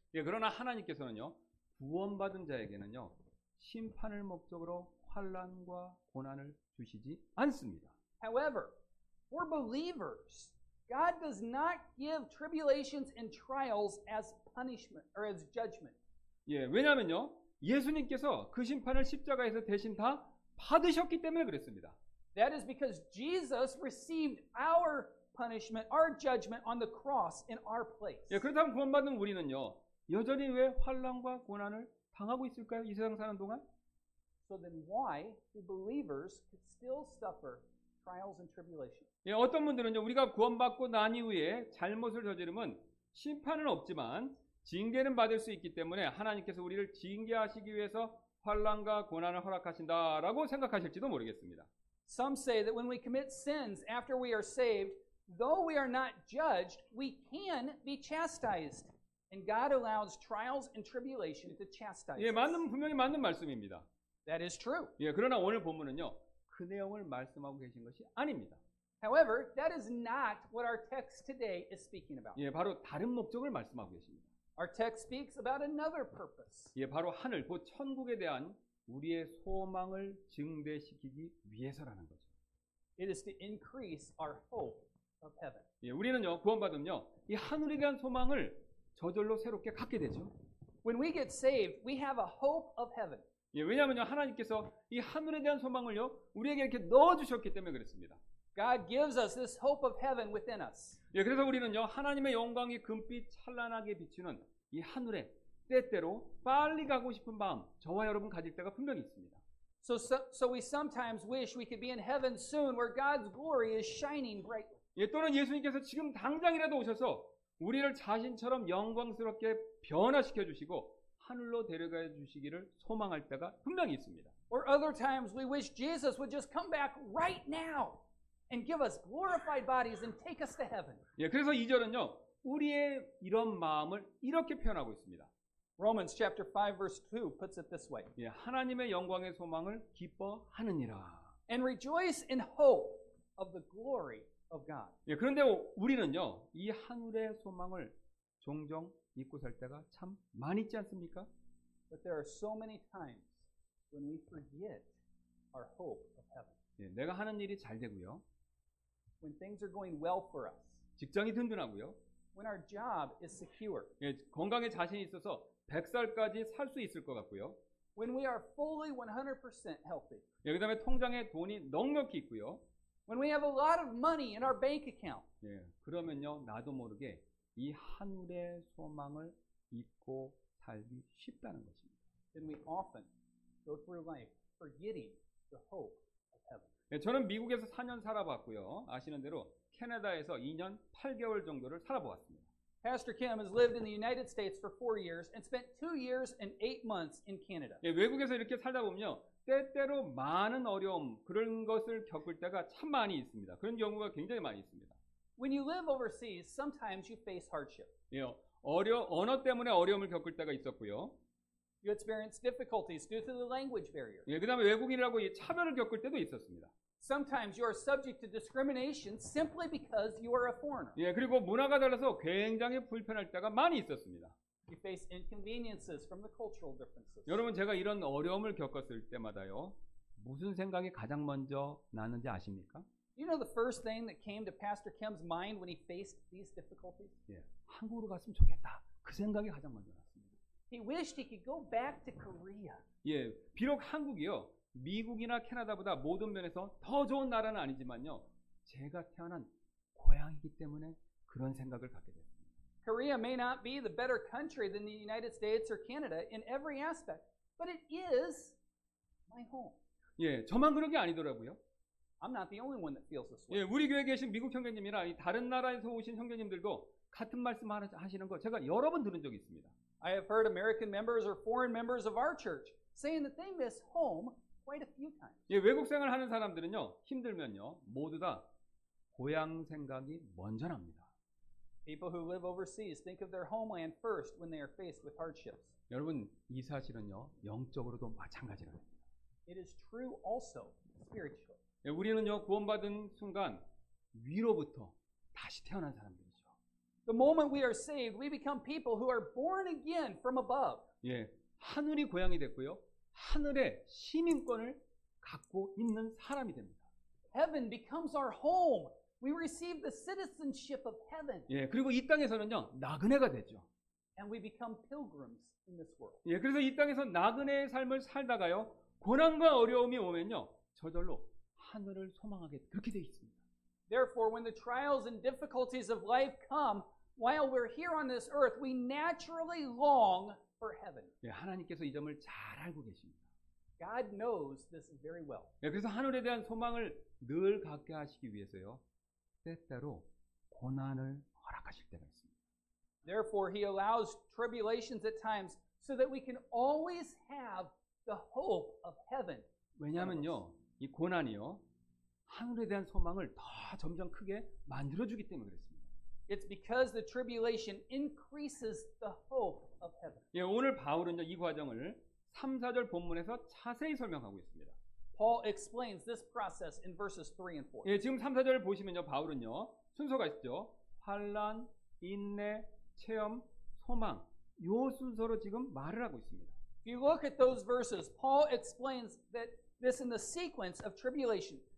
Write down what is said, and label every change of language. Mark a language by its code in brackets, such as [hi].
[ko] 예, 그러나 하나님께서는요, 구원받은 자에게는요, 심판을 목적으로 환난과 고난을 주시지 않습니다. [en] However, for believers, God does not give tribulations and trials as punishment or as judgment. [ko] 예, 왜냐면요. 예수님께서 그 심판을 십자가에서 대신 다 받으셨기 때문에 그랬습니다. [en] That is because Jesus received our punishment, our judgment on the cross in our place. [ko] 예, 그렇다면 구원받은 우리는요. 여전히 왜 환난과 고난을 당하고 있을까요? 이 세상 사는 동안? [en] So then why do believers still suffer trials and tribulations? [ko] 예, 어떤 분들은요. 우리가 구원받고 난 이후에 잘못을 저지르면 심판은 없지만 징계는 받을 수 있기 때문에 하나님께서 우리를 징계하시기 위해서 환난과 고난을 허락하신다라고 생각하실지도 모르겠습니다. [en] Some say that when we commit sins after we are saved, though we are not judged, we can be chastised. And God allows trials and tribulation to chastise. [ko] 예, 맞는, 분명히 맞는 말씀입니다. [en] That is true. [ko] 예, 그러나 오늘 본문은요, 그 내용을 말씀하고 계신 것이 아닙니다. [en] However, that is not what our text today is speaking about. [ko] 예, 바로 다른 목적을 말씀하고 계십니다. [en] Our text speaks about another purpose. [ko] 예, 바로 하늘, 곧 천국에 대한 우리의 소망을 증대시키기 위해서라는 거죠. [en] It is to increase our hope of heaven. [ko] 예, 우리는요, 구원받으면요, 이 하늘에 대한 소망을 저절로 새롭게 갖게 되죠. [en] When we get saved, we have a hope of heaven. [ko] 예, 왜냐면요, 하나님께서 이 하늘에 대한 소망을요, 우리에게 이렇게 넣어 주셨기 때문에 그랬습니다. [en] God gives us this hope of heaven within us. [ko] 예, 그래서 우리는요, 하나님의 영광이 금빛 찬란하게 비추는 이 하늘에 때때로 빨리 가고 싶은 마음 저와 여러분 가질 때가 분명히 있습니다. [en] So we sometimes wish we could be in heaven soon where God's glory is shining brightly. [ko] 예, 또는 예수님께서 지금 당장이라도 오셔서 우리를 자신처럼 영광스럽게 변화시켜 주시고 하늘로 데려가 주시기를 소망할 때가 분명히 있습니다. [en] Or other times we wish Jesus would just come back right now and give us glorified bodies and take us to heaven. [ko] 예, 그래서 2절은요. 우리의 이런 마음을 이렇게 표현하고 있습니다. [en] Romans chapter 5 verse 2 puts it this way. [ko] 예, 하나님의 영광의 소망을 기뻐하느니라. [en] And rejoice in hope of the glory of God. [ko] 예, 그런데 우리는요. 이 하늘의 소망을 종종 잊고 살 때가 참 많이 있지 않습니까? [en] But there are so many times when we forget our hope. [ko] 예, 내가 하는 일이 잘 되고요. [en] When things are going well for us. [ko] 직장이 든든하고요. [en] When our job is secure. [ko] 예, 건강에 자신이 있어서 100살까지 살 수 있을 것 같고요. [en] When we are fully 100% healthy. [ko] 예, 그다음에 통장에 돈이 넉넉히 있고요. [en] When we have a lot of money in our bank account. [ko] 예, 그러면요, 나도 모르게 이 하늘의 소망을 잊고 살기 쉽다는 것입니다. [en] Then we often go through life forgetting the hope. [ko] 예, 저는 미국에서 4년 살아봤고요. 아시는 대로 캐나다에서 2년 8개월 정도를 살아보았습니다. [en] Pastor Kim has lived in the United States for 4 years and spent 2 years and 8 months in Canada. [ko] 예, 외국에서 이렇게 살다 보면요. 때때로 많은 어려움, 그런 것을 겪을 때가 참 많이 있습니다. 그런 경우가 굉장히 많이 있습니다. [en] When you live overseas, sometimes you face hardship. [ko] 예, 언어 때문에 어려움을 겪을 때가 있었고요. [en] You experience difficulties due to the language barrier. [ko] 예, 그다음에 외국인이라고 차별을 겪을 때도 있었습니다. [en] Sometimes you are subject to discrimination simply because you are a foreigner. [ko] 예, 그리고 문화가 달라서 굉장히 불편할 때가 많이 있었습니다. [en] You face inconveniences from the cultural differences. [ko] 여러분, 제가 이런 어려움을 겪었을 때마다요, 무슨 생각이 가장 먼저 나는지 아십니까? [en] You know the first thing that came to Pastor Kim's mind when he faced these difficulties? [ko] 예, 한국으로 갔으면 좋겠다. 그 생각이 가장 먼저 나. [en] He wished he could go back to Korea. [ko] 예, 비록 한국이요, 미국이나 캐나다보다 모든 면에서 더 좋은 나라는 아니지만요, 제가 태어난 고향이기 때문에 그런 생각을 갖게 됩니다. [en] Korea may not be the better country than the United States or Canada in every aspect, but it is my home. [ko] 예, 저만 그런 게 아니더라고요. [en] I'm not the only one that feels this way. [ko] 예, 우리 교회에 계신 미국 형제님이나 다른 나라에서 오신 형제님들도 같은 말씀하시는 거 제가 여러 번 들은 적이 있습니다. [en] I have heard American members or foreign members of our church saying that they miss home quite a few times. [ko] 예, 외국 생활 하는 사람들은요, 힘들면요, 모두 다 고향 생각이 먼저 납니다. [en] People who live overseas think of their homeland first when they are faced with hardships. [ko] 여러분, 이 사실은요, 영적으로도 마찬가지랍니다. [en] It is true also spiritually. [ko] 예, 우리는요, 구원받은 순간 위로부터 다시 태어난 사람들. [en] The moment we are saved, we become people who are born again from above. [ko] 예, 하늘이 고향이 됐고요. 하늘의 시민권을 갖고 있는 사람이 됩니다. [en] Heaven becomes our home. We receive the citizenship of heaven. [ko] 예, 그리고 이 땅에서는요, 나그네가 되죠. [en] And we become pilgrims in this world. [ko] 예, 그래서 이 땅에서 나그네의 삶을 살다가요, 고난과 어려움이 오면요, 저절로 하늘을 소망하게 그렇게 돼 있습니다. [en] Therefore, when the trials and difficulties of life come, while we're here on this earth, we naturally long for heaven. [ko] 예, 하나님께서 이 점을 잘 알고 계십니다. [en] God knows this very well. [ko] 예, 그래서 하늘에 대한 소망을 늘 갖게 하시기 위해서요, 때때로 고난을 허락하실 때가 있습니다. [en] Therefore, He allows tribulations at times so that we can always have the hope of heaven. [ko] 왜냐하면요, 이 고난이요, 하늘에 대한 소망을 더 점점 크게 만들어 주기 때문에 그랬습니다. [en] It's because the tribulation increases the hope of heaven. [ko] 예, 오늘 바울은요, 이 과정을 3, 4절 본문에서 자세히 설명하고 있습니다. [en] Paul explains this process in verses 3 and 4. [ko] 예, 지금 3, 4절을 보시면요, 바울은요, 순서가 있죠. 환난, 인내, 체험, 소망. 요 순서로 지금 말을 하고 있습니다. [en] If you look at those verses, Paul explains that this in the sequence of tribulation.